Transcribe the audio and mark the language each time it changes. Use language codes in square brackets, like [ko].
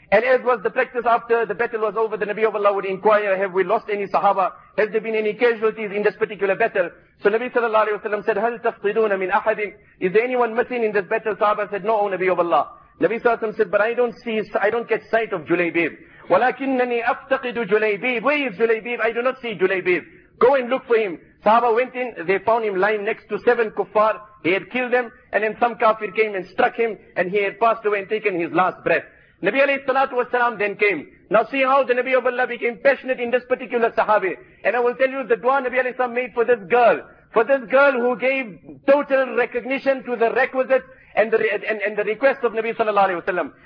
[en] And as was the practice after the battle was over, the Nabi of Allah would inquire, have we lost any Sahaba? Has there been any casualties in this particular battle? So Nabi sallallahu alayhi wa sallam said, [ar] هَلْ تَفْقِدُونَ مِنْ أَحَدٍ. [en] Is there anyone missing in this battle? Sahaba said, no, O Nabi of Allah. Nabi sallallahu alayhi wa sallam said, but I don't catch sight of Junaybib. [ar] وَلَكِنَّنِي أَفْتَقِدُ Junaybib. [en] Where is Junaybib? I do not see Junaybib. Go and look for him. Sahaba went in, they found him lying next to 7 kuffar. He had killed them, and then some kafir came and struck him, and he had passed away and taken his last breath. Nabi alayhi salatu wasalam then came. Now see how the Nabi of Allah became passionate in this particular sahabi. And I will tell you the dua Nabi alayhi salam made for this girl. For this girl who gave total recognition to the requisite and the request of Nabi sallallahu alayhi wasalam.